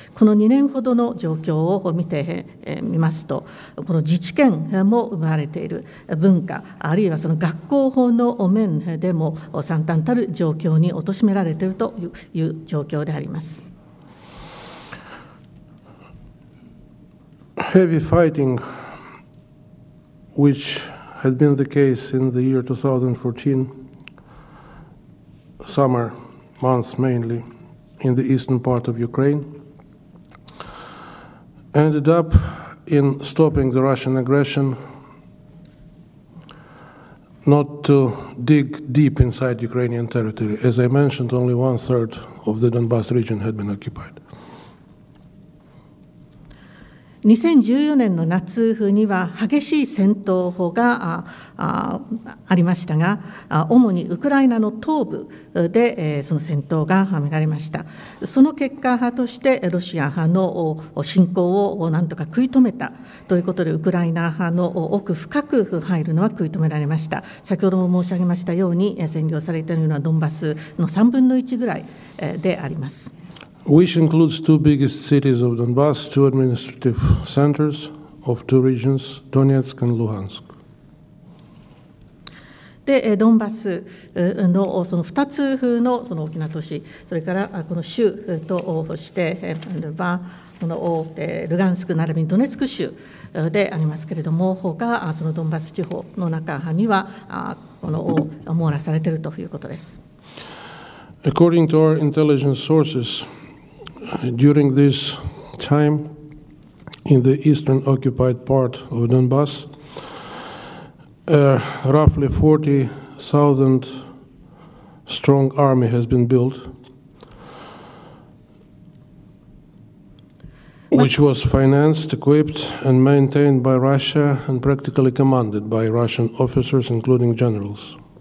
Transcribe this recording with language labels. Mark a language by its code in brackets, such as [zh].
[ja] この2年ほどの状況を見てみますと、この自治権も奪われている、文化あるいはその学校法の面でも惨憺たる状況に貶められているという状況であります。 [en] Heavy fighting, which had been the case in the year 2014, summer months mainly, in the eastern part of Ukraine, ended up in stopping the Russian aggression not to dig deep inside Ukrainian territory. As I mentioned, only one third of the Donbas region had been occupied. [ja] 2014年の夏には激しい戦闘がありましたが、主にウクライナの東部でその戦闘が見られました。その結果派としてロシア派の侵攻をなんとか食い止めたということで、ウクライナ派の奥深く入るのは食い止められました。先ほども申し上げましたように、占領されているのはドンバスの3分の1ぐらいであります。 [en] Which includes two biggest cities of Donbas, two administrative centers of two regions, Donetsk and Luhansk. [ja] で、ドンバスのその二つのその大きな都市、それからこの州としてはこのルガンスク並びにドネツク州でありますけれども、ほかそのドンバス地方の中にはこの網羅されているということです。 [en] According to our intelligence sources. During this time in the eastern occupied part of Donbas, roughly 40,000 strong army has been built, which was financed, equipped, and maintained by Russia and practically commanded by Russian officers, including generals.